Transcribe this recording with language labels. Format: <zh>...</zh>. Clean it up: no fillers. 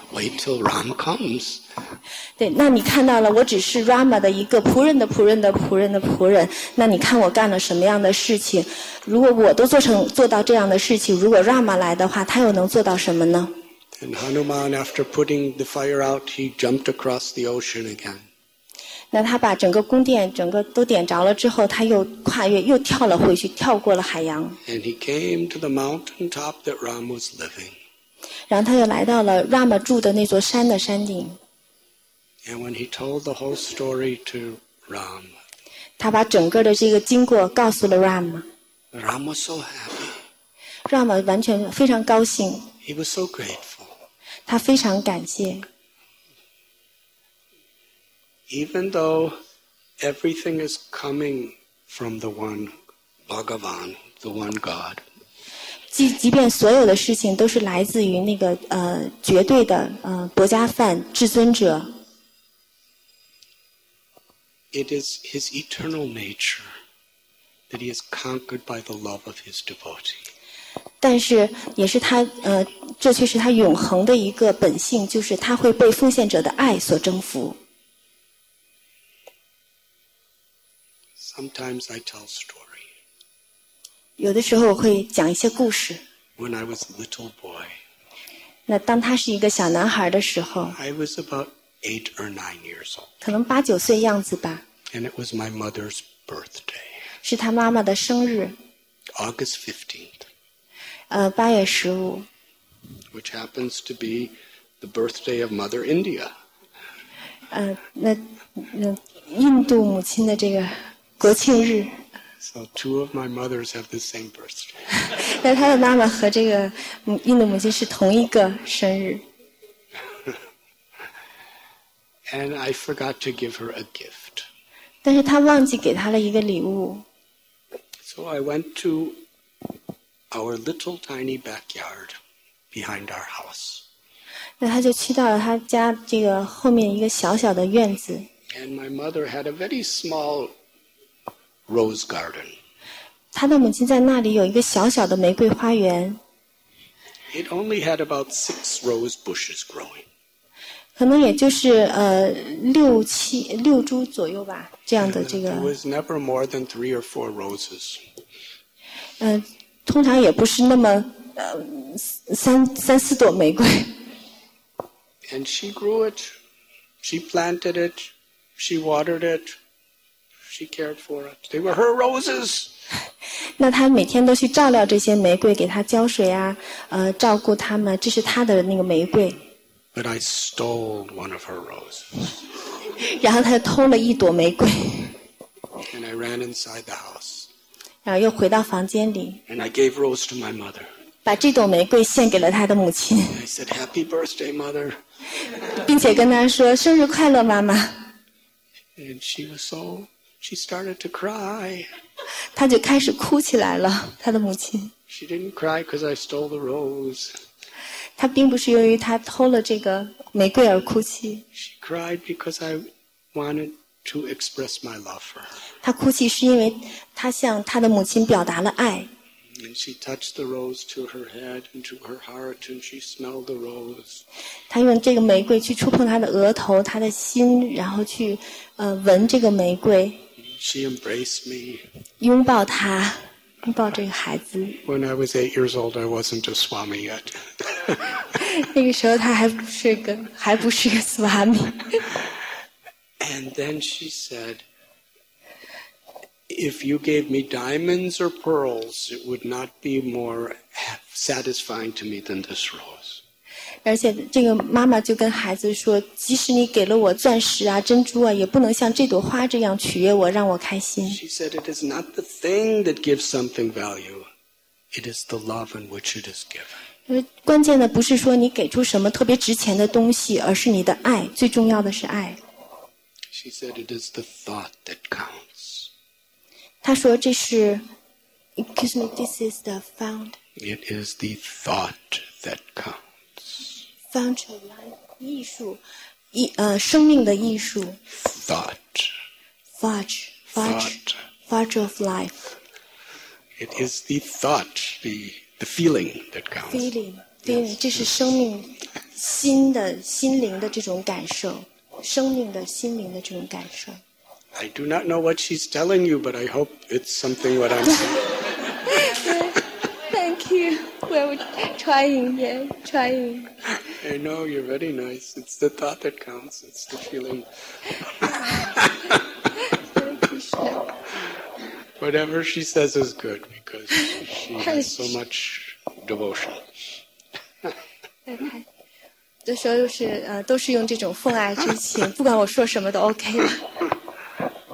<en>Wait till Ram comes.</en> <zh>对，那你看到了，我只是 Rama 的一个仆人的仆人的仆人的仆人。那你看我干了什么样的事情？如果我都做到这样的事情，如果 Rama 来的话，他又能做到什么呢？</zh> <en>And Hanuman, after putting the fire out, he jumped across the ocean again.</en> <zh>那他把整个宫殿整个都点着了之后，他又跨越又跳了回去，跳过了海洋。</zh> <en>And he came to the mountaintop that Ram was living.</en> <zh>然后他又来到了 Rama 住的那座山的山顶。</zh> <en>And when he told the whole story to Ram,</en> <zh>他把整个的这个经过告诉了 Ram.</zh> <en>Ram was so happy.</en> <zh>Ram 完全非常高兴。</zh> <en>He was so grateful.</en> <zh>他非常感谢。</zh> <en>Even though everything is coming from the one Bhagavan, the one God.</en> <zh>即便所有的事情都是来自于那个绝对的薄伽梵至尊者。</zh> <en>it is his eternal nature that he is conquered by the love of his devotee.</en> <zh>但是也是他这却是他永恒的一个本性，就是他会被奉献者的爱所征服。</zh> <en>Sometimes I tell story.</en> <zh>有的时候我会讲一些故事。</zh> <en>When I was a little boy.</en> <zh>那当他是一个小男孩的时候。</zh> <en>I was about 8 or 9 years old.</en> <zh>可能八九岁样子吧。</zh> <en>And it was my mother's birthday.</en> <zh>是他妈妈的生日。</zh> <en>August 15th.</en> <zh>八月十五。</zh> <en>Which happens to be the birthday of Mother India.</en> <zh>那印度母亲的这个。国庆日。</zh> <en>So two of my mothers have the same birthday.</en> <zh>那他的妈妈和这个印度母亲是同一个生日。</zh> <en>And I forgot to give her a gift.</en> <zh>但是他忘记给她了一个礼物。</zh> <en>So I went to our little tiny backyard behind our house.</en> <zh>那他就去到了他家这个后面一个小小的院子。</zh> <en>And my mother had a very small. Rose garden.</en> <zh>他的母亲在那里有一个小小的玫瑰花园。</zh> <en>It only had about 6 rose bushes growing.</en> <zh>可能也就是六株左右吧，这样的这个。</zh> <en>It was never more than 3 or 4 roses.</en> <zh>通常也不是那么三四朵玫瑰。</zh> <en>And she grew it. She planted it. She watered it. She cared for it. They were her roses.</en> <zh>那她每天都去照料这些玫瑰，给她浇水啊，照顾她们，这是她的那个玫瑰。</zh> <en>But I stole one of her roses.</en> <zh>然后她偷了一朵玫瑰。</zh> <en>And I ran inside the house.</en> <zh>然后又回到房间里。</zh> <en>And I gave rose to my mother.</en> <zh>把这朵玫瑰献给了她的母亲。</zh> <en>I said, "Happy birthday, mother."</en> <zh>并且跟她说生日快乐，妈妈。</zh> <en>And she was so. She started to cry.</en> <zh>她就开始哭起来了，她的母亲。</zh> <en>She didn't cry because I stole the rose.</en> <zh>她并不是由于她偷了这个玫瑰而哭泣。</zh> <en>She cried because I wanted to express my love for her.</en> <zh>她哭泣是因为她向她的母亲表达了爱。</zh> <en>And she touched the rose to her head and to her heart, and she smelled the rose.</en> <zh>她用这个玫瑰去触碰她的额头，她的心，然后去闻这个玫瑰。</zh> <en>She embraced me.</en> <zh>拥抱她，拥抱这个孩子。</zh> <en>When I was 8 years old, I wasn't a swami yet.</en> <zh>那个时候她还不是个 swami.</zh> <en>And then she said. If you gave me diamonds or pearls, it would not be more satisfying to me than this rose.</en> <zh>而且这个妈妈就跟孩子说，即使你给了我钻石啊、珍珠啊，也不能像这朵花这样取悦我，让我开心。</zh> <en>She said, "It is not the thing that gives something value; it is the love in which it is given."</en> <zh>关键的不是说你给出什么特别值钱的东西，而是你的爱。最重要的是爱。</zh> <en>She said, "It is the thought that counts."</en> <zh>他说这是</zh> <en>Excuse me, this is the found. It is the thought that counts. Found to life,</en> <zh>艺术生命的艺术。</zh> <en>Thought. Thought of life. It is the thought, the feeling that counts. Feeling,、yes.</en> <zh>这是生命心灵的这种感受。生命的心灵的这种感受。</zh> <en>I do not know what she's telling you, but I hope it's something what I'm saying. Thank you. We're trying, yeah, trying. I know, you're very nice. It's the thought that counts. It's the feeling. Whatever she says is good, because she has so much devotion.</en> <zh>就说就是都是用这种奉爱之情，不管我说什么都 OK 了。</zh>